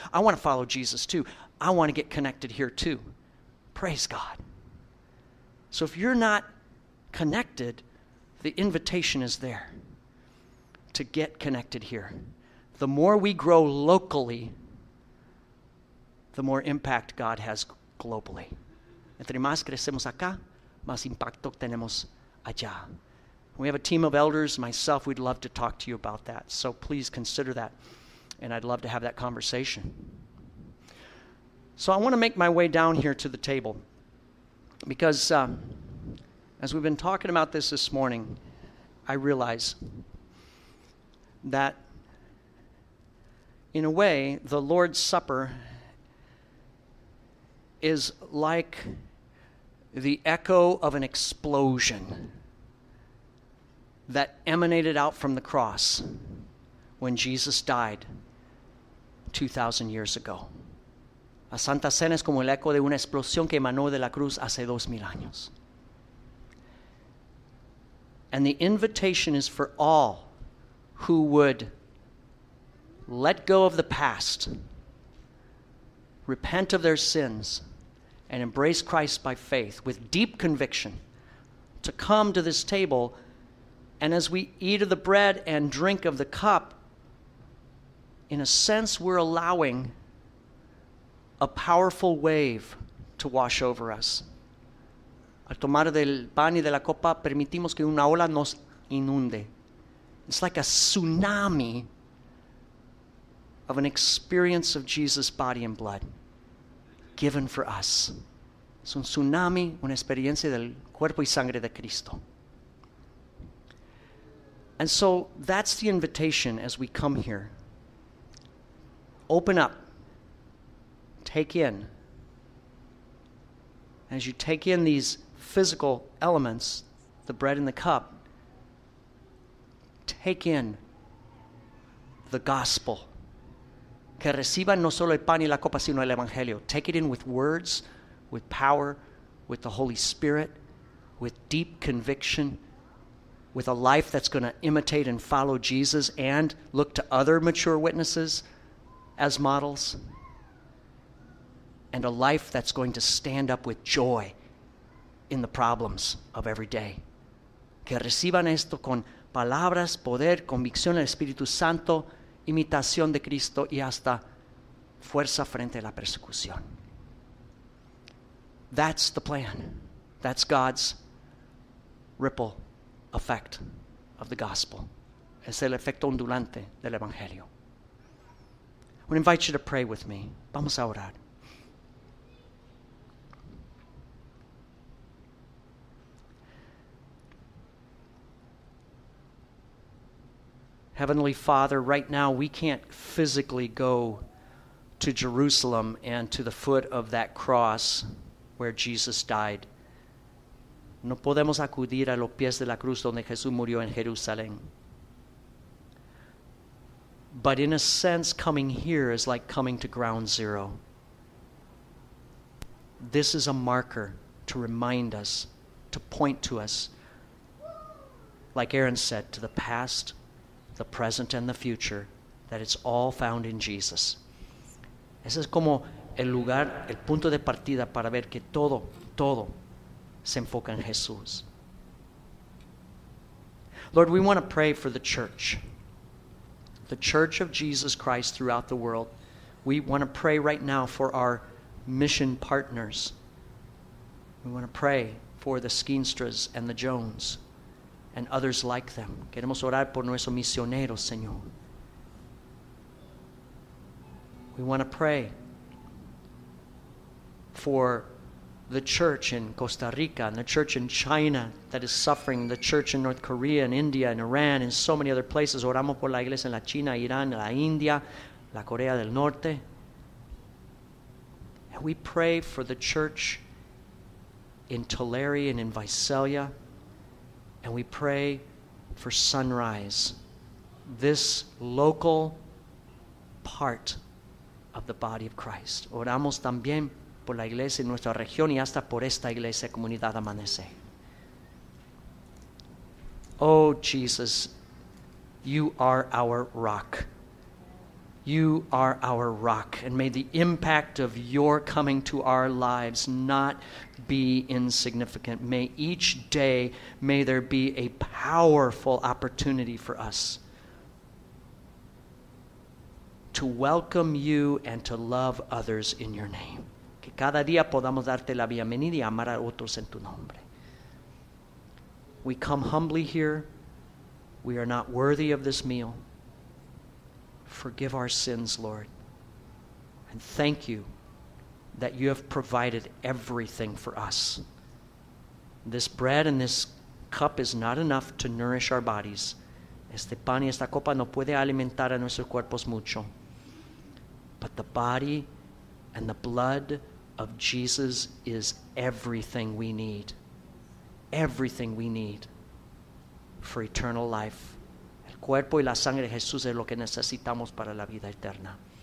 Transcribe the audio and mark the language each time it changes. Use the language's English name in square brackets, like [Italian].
[English] I want to follow Jesus too. I want to get connected here too. Praise God. So if you're not connected, the invitation is there to get connected here. The more we grow locally, the more impact God has globally. [Spanish] Entre más crecemos acá, más impacto tenemos allá. [English] We have a team of elders, myself, we'd love to talk to you about that. So please consider that, and I'd love to have that conversation. So I want to make my way down here to the table, because as we've been talking about this morning, I realize that in a way, the Lord's Supper is like the echo of an explosion that emanated out from the cross when Jesus died 2,000 years ago. [Spanish] La Santa Cena es como el eco de una explosión que emanó de la cruz hace 2,000 años. [English] And the invitation is for all who would let go of the past, repent of their sins, and embrace Christ by faith with deep conviction to come to this table. And as we eat of the bread and drink of the cup, in a sense, we're allowing a powerful wave to wash over us. [Spanish] Al tomar del pan y de la copa, permitimos que una ola nos inunde. [English] It's like a tsunami of an experience of Jesus' body and blood given for us. [Spanish] Es un tsunami, una experiencia del cuerpo y sangre de Cristo. [English] And so that's the invitation as we come here. Open up. Take in. As you take in these physical elements, the bread and the cup, take in the gospel. [Spanish] Que reciban no solo el pan y la copa, sino el evangelio. [English] Take it in with words, with power, with the Holy Spirit, with deep conviction, with a life that's going to imitate and follow Jesus and look to other mature witnesses as models, and a life that's going to stand up with joy in the problems of every day. [Spanish] Que reciban esto con palabras, poder, convicción del Espíritu Santo, imitación de Cristo y hasta fuerza frente a la persecución. [English] That's the plan. That's God's ripple effect of the gospel. [Spanish] Es el efecto ondulante del evangelio. [English] I want to invite you to pray with me. [Spanish] Vamos a orar. [English] Heavenly Father, right now we can't physically go to Jerusalem and to the foot of that cross where Jesus died. [Spanish] No podemos acudir a los pies de la cruz donde Jesús murió en Jerusalén. [English] But in a sense, coming here is like coming to ground zero. This is a marker to remind us, to point to us, like Aaron said, to the past, the present, and the future, that it's all found in Jesus. [Spanish] Ese es como el lugar, el punto de partida para ver que todo, todo se enfoca en Jesús. [English] Lord, we want to pray for the church of Jesus Christ throughout the world. We want to pray right now for our mission partners. We want to pray for the Skeenstras and the Jones and others like them. [Spanish] Queremos orar por nuestros misioneros, Señor. [English] We want to pray for the church in Costa Rica and the church in China that is suffering, the church in North Korea and India and Iran and so many other places. [Spanish] Oramos por la iglesia en la China, Irán, la India, la Corea del Norte. [English] And we pray for the church in Tulare and in Visalia. And we pray for Sunrise, this local part of the body of Christ. [Spanish] Oramos también por la iglesia en nuestra región y hasta por esta iglesia, Comunidad Amanece. [English] Oh, Jesus, you are our rock. You are our rock. And may the impact of your coming to our lives not be insignificant. May each day, may there be a powerful opportunity for us to welcome you and to love others in your name. [Spanish] Que cada día podamos darte la bienvenida y amar a otros en tu nombre. [English] We come humbly here. We are not worthy of this meal. Forgive our sins, Lord. And thank you that you have provided everything for us. This bread and this cup is not enough to nourish our bodies. [Spanish] Este pan y esta copa no puede alimentar a nuestros cuerpos mucho. [English] But the body and the blood of Jesus is everything we need. Everything we need for eternal life. [Spanish] El cuerpo y la sangre de Jesús es lo que necesitamos para la vida eterna.